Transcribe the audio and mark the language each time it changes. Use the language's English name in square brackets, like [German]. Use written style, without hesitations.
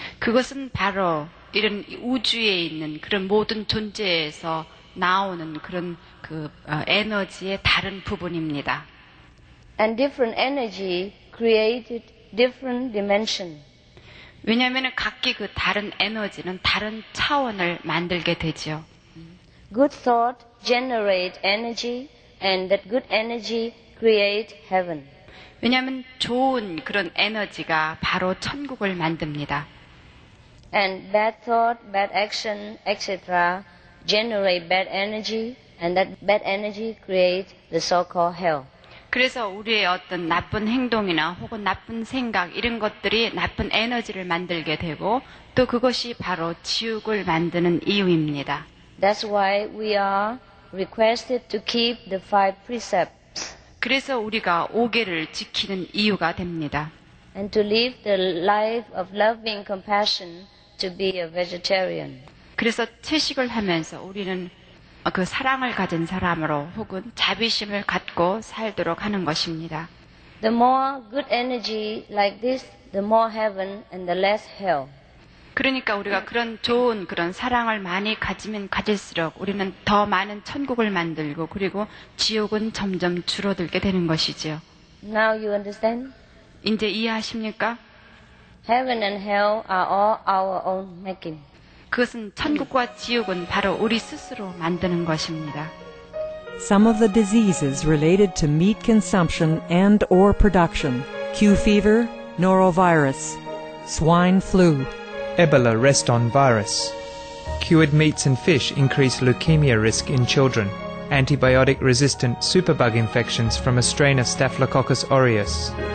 [Korean] 그것은 바로 이런 우주에 있는 그런 모든 존재에서 나오는 그런 그 에너지의 다른 부분입니다. [English] And different energy created different dimension. [Korean] 왜냐하면 각기 그 다른 에너지는 다른 차원을 만들게 되죠. [English] Good thought generate energy and that good energy create heaven. [Korean] 왜냐하면 좋은 그런 에너지가 바로 천국을 만듭니다. [English] And bad thought, bad action, etc. generate bad energy, and that bad energy creates the so-called hell. [Korean] 그래서 우리의 어떤 나쁜 행동이나 혹은 나쁜 생각 이런 것들이 나쁜 에너지를 만들게 되고 또 그것이 바로 지옥을 만드는 이유입니다. [English] That's why we are requested to keep the five precepts. [Korean] 그래서 우리가 5계를 지키는 이유가 됩니다. [English] And to live the life of loving compassion to be a vegetarian. [Korean] 그래서 채식을 하면서 우리는 그 사랑을 가진 사람으로 혹은 자비심을 갖고 살도록 하는 것입니다. [English] The more good energy like this, the more heaven and the less hell. [Korean] 그러니까 우리가 그런 좋은 그런 사랑을 많이 가지면 가질수록 우리는 더 많은 천국을 만들고 그리고 지옥은 점점 줄어들게 되는 것이지요. [English] Now you understand? [Korean] 이제 이해하십니까? [English] Heaven and hell are all our own making. [Korean] 그것은 천국과 지옥은 바로 우리 스스로 만드는 것입니다. [English] Some of the diseases related to meat consumption and or production, Q fever, norovirus, swine flu, Ebola Reston virus. Cured meats and fish increase leukemia risk in children. Antibiotic resistant superbug infections from a strain of Staphylococcus aureus.